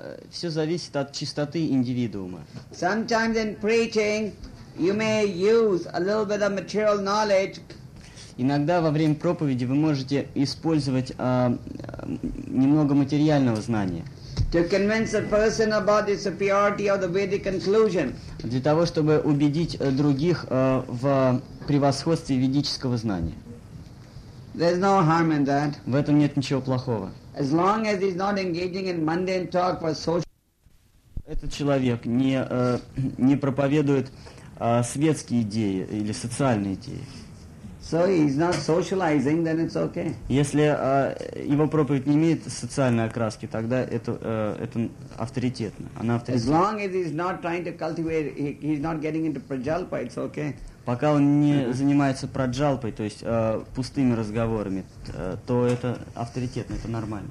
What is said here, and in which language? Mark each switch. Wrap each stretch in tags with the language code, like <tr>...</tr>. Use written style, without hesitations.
<ru>Все зависит от чистоты индивидуума.</ru> <en>Sometimes in preaching, you may use a little bit of material knowledge.</en> <ru>Иногда во время проповеди вы можете использовать немного материального знания.</ru> <en>To convince a person about the superiority of the Vedic conclusion.</en> <ru>Для того чтобы убедить других в превосходстве ведического знания.</ru> <en>There's no harm in that.</en> <ru>В этом нет ничего плохого.</ru> <en>As long as he's not engaging in mundane talk for social.</en> <ru>Этот человек не проповедует светские идеи или социальные идеи.</ru> <en>So he's not socializing, then it's okay.</en> <ru>Если его проповедь не имеет социальной окраски, тогда это авторитетно. Она авторитетна.</ru> <en>As long as he's not trying to cultivate, he's not getting into prajalpa, it's okay.</en> <ru>Пока он не занимается праджалпой, то есть пустыми разговорами, то это авторитетно, это нормально.</ru>